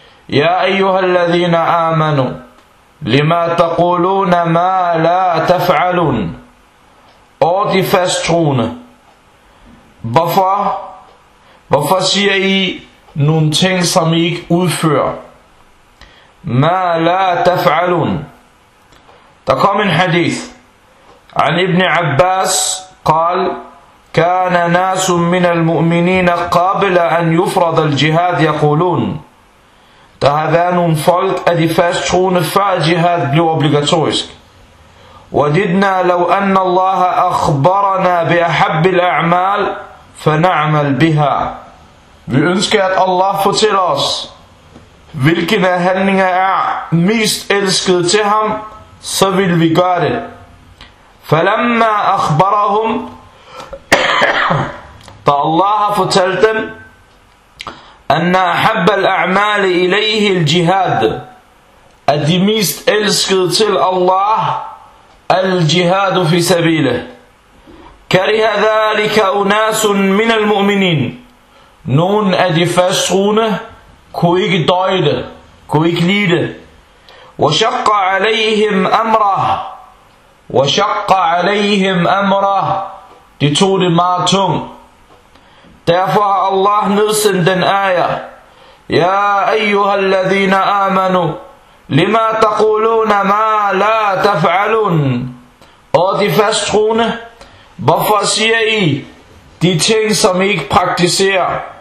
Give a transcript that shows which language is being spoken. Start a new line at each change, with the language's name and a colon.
Arabic: يا أيها الذين آمنوا لما تقولون ما لا تفعلون. أودي فاسترون.
Danish: Hvorfor siger I nogle ting, som I ikke udfører?
Arabic: ما لا تفعلون.
Danish: Der kom en hadith
Arabic: عن ابن عباس قال: كان ناس من المؤمنين قبل أن يفرض الجهاد يقولون.
Danish: Der har været nogle folk af de fast troende, før jihad blev obligatorisk.
Arabic: وددنا لو أن الله أخبرنا بأحب الأعمال فنعمل بها.
Danish: Vi ønsker at Allah fortæller os, hvilken af handlinger er mest elsket til ham, så vil vi gøre det.
Arabic: فَلَمَّا أَخْبَرَهُمْ
Danish: Da Allah har fortalt dem,
Arabic: أَنَّ أَحَبَّ الْأَعْمَالِ إِلَيْهِ الْجِهَادِ
Danish: At de mest elskede til Allah,
Arabic: الْجِهَادُ فِي سَبِيلِهِ كَرِهَ ذَلِكَ أُنَاسٌ مِنَ الْمُؤْمِنِينَ
Danish: Nogen af de fasttroende kunne ikke døje det, kunne ikke lide det.
Arabic: وَشَقَّ عَلَيْهِمْ أَمْرَهُ وَشَقَّ عَلَيْهِمْ أَمْرَهُ
Danish: De tog det meget tungt. Derfor har Allah nedsendt den ayah.
Arabic: يَا أَيُّهَا الَّذِينَ آمَنُوا لِمَا تَقُولُونَ مَا لَا تَفْعَلُونَ
Danish: Og de fasttroende, hvorfor siger I de ting, som I ikke praktiserer?